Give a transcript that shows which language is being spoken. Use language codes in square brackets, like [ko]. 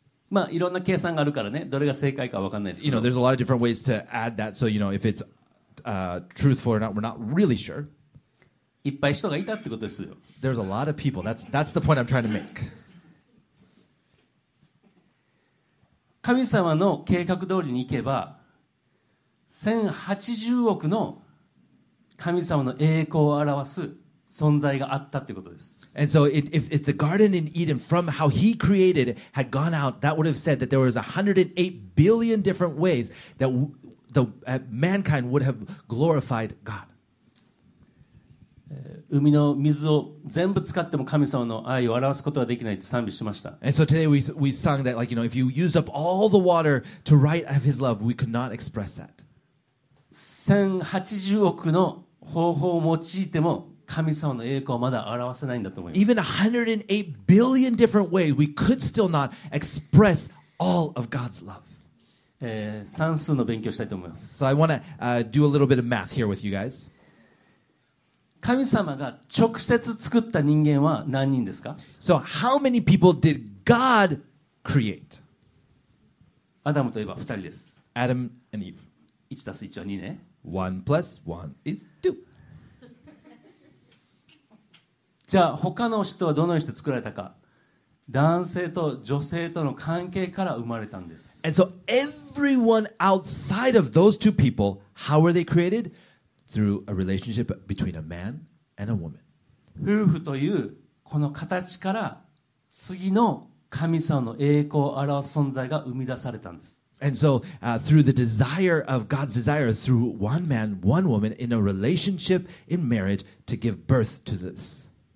[ja] まあ、いろんな計算があるからね、どれが正解か分かんないですけど。 [en] You know, there's a lot of different ways to add that. So, you know, if it's truthful or not, we're not really sure. [ja] いっぱい人がいたってことですよ。 [en] There's a lot of people. That's the point I'm trying to make. [ja] 神様の計画通りに行けば、1080億の神様の栄光を表す存在があったってことです。 [en] And so if the garden in Eden from how he created it had gone out, that would have said that there was 108 billion different ways that mankind would have glorified God. [ja] 海の水を全部使っても神様の愛を表すことはできないって賛美しました。 [en] And so today we sung that, like, you know, if you used up all the water to write of his love, we could not express that. [ja] 1080億の方法を用いても神様の栄光はまだ表せないんだと思います。 [en] Even 108 billion different ways, we could still not express all of God's love. [ja] 算数の勉強したいと思います。 [en] So I want to do a little bit of math here with you guys. [ja] 神様が直接作った人間は何人ですか? [en] So how many people did God create? [ja] アダムといえば2人です。 [en] Adam and Eve. [ja] 1たす1は2ね。 [en] 1 plus 1 is 2. [ja] じゃあ他の人はどのようにして作られたか、男性と女性との関係から生まれたんです。 [en] And so everyone outside of those two people, how were they created? Through a relationship between a man and a woman. [ja] 夫婦というこの形から次の神様の栄光を表す存在が生み出されたんです。 [en] And so, through the desire of God's desire, through one man, one woman, in a relationship, in marriage, to give birth to this.